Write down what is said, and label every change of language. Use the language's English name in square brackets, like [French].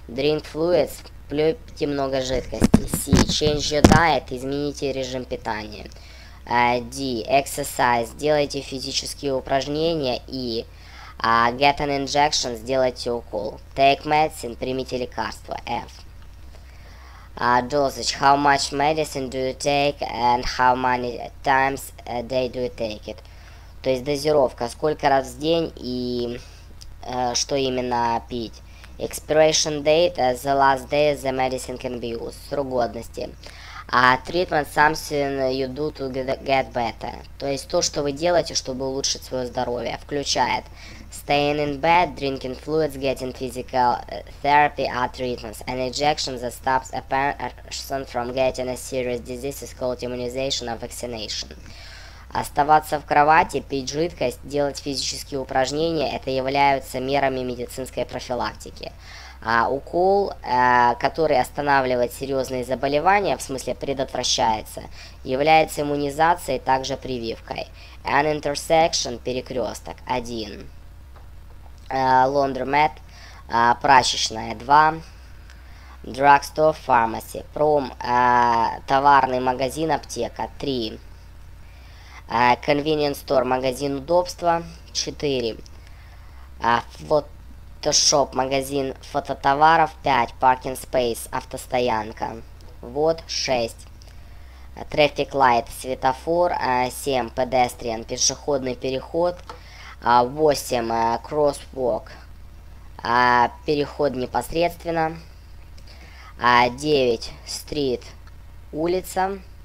[English] Drink fluids, [Russian] пьете много жидкости. C. [English] Change your diet, [Russian] измените режим питания. D. Exercise, делайте физические упражнения. И [English] get an injection, [Russian] сделайте укол. [English] Take medicine, [Russian] примите лекарство. F. [English] Dosage, how much medicine do you take and how many times a day do you take it? [Russian] То есть дозировка, сколько раз в день и что именно пить. [English] Expiration date, the last day the medicine can be used, [Russian] срок годности. [English] Treatment, something you do to get better. [Russian] То есть то, что вы делаете, чтобы улучшить свое здоровье, включает [English] staying in bed, drinking fluids, getting physical therapy or treatments, an injection that stops a person from getting a serious disease is called immunization or vaccination. [Russian] Оставаться в кровати, пить жидкость, делать физические упражнения – это являются мерами медицинской профилактики. Укол, который останавливает серьезные заболевания, в смысле предотвращается, является иммунизацией, также прививкой. [English] An intersection – перекресток. 1. Laundromat – прачечная. 2. Drugstore – pharmacy. [Russian] Пром – товарный магазин, аптека. 3. [English] Convenience store, [Russian] магазин удобства. 4. Photoshop, магазин фототоваров. 5. [English] Parking space, автостоянка. [Russian] Вот 6. [English] Traffic light, светофор. 7. [Russian] Pedestrian, пешеходный переход. 8. Crosswalk, переход непосредственно. 9. [English] Street, улица.